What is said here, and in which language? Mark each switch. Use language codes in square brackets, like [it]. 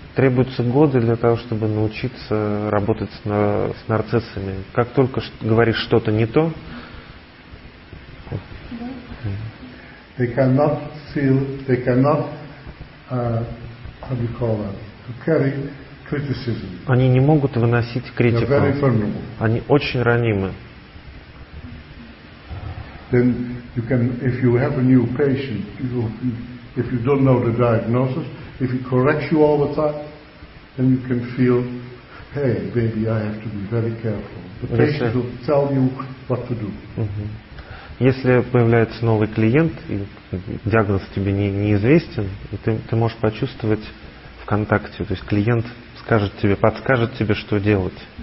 [ru] Требуются годы для того, чтобы научиться работать с нарциссами. Как только говоришь что-то не то, [en] they cannot feel, they cannot, how do you call that, carry criticism. [ru] Они не могут выносить критику. [en] They're very vulnerable. [ru] Они очень ранимы. [en] Then you can, if you have a new patient, if you don't know the diagnosis, if he corrects you all the time, then you can feel, hey, baby, I have to be very careful. The patient will tell you what to do. [ru] Если появляется новый клиент, и диагноз тебе неизвестен, и ты можешь почувствовать в контакте, то есть клиент скажет тебе, подскажет тебе, что делать.